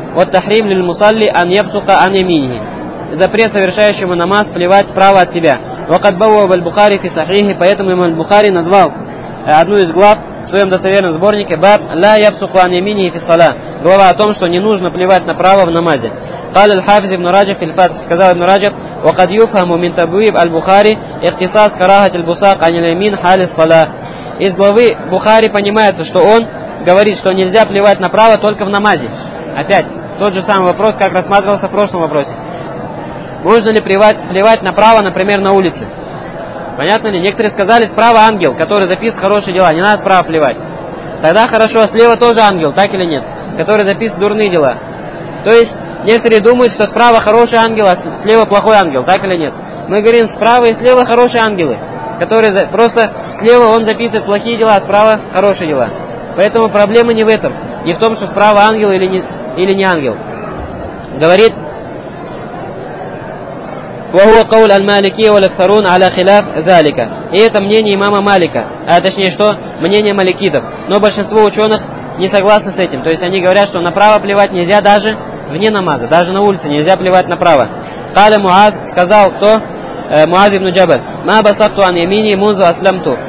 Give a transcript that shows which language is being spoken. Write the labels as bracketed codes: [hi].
[ru] Вот [ar] тахрим лиль мусалли ан йабсука ан йаминихи. [ru] Запрет совершающему намаз плевать справа от себя. [ar] Вакад бавва аль-Бухари фи сахихи, [ru] поэтому имам аль-Бухари назвал одну из глав в своем достоверном сборнике [ar] «Баб ла ябсуку ан йаминихи фи сала», [ru] глава о том, что не нужно плевать направо в намазе. [ar] قال الحافظ ابن رجب في الفتح [ru] сказал [ar] ابن رجب وقد يفهم من تبويب البخاري اختصاص كراهة البصاق عن اليمين حال الصلاة. [ru] Из главы Бухари понимается, что он говорит, что нельзя плевать направо только в намазе. Опять тот же самый вопрос, как рассматривался в прошлом вопросе. Можно ли плевать направо, например, на улице? Понятно ли? Некоторые сказали, справа ангел, который записывает хорошие дела, не надо справа плевать. Тогда хорошо, а слева тоже ангел, так или нет, который записывает дурные дела. То есть некоторые думают, что справа хороший ангел, а слева плохой ангел, так или нет? Мы говорим, справа и слева хорошие ангелы, которые просто слева он записывает плохие дела, а справа хорошие дела. Поэтому проблема не в этом, не в том, что справа ангел или не ангел. Говорит, [ar] وَهُوَ قَوْلَ الْمَالِكِيَ وَالْأَكْثَرُونَ عَلَى خِلَافِ ذَلِكَ. [ru] И это мнение имама Малика, а точнее что? Мнение маликитов. Но большинство ученых не согласны с этим. То есть они говорят, что направо плевать нельзя даже вне намаза, даже на улице нельзя плевать направо. Каля Муаз сказал, кто? Муаз ибн Джабаль. [ar] Ма басатту ан ямини мунзу аслямту.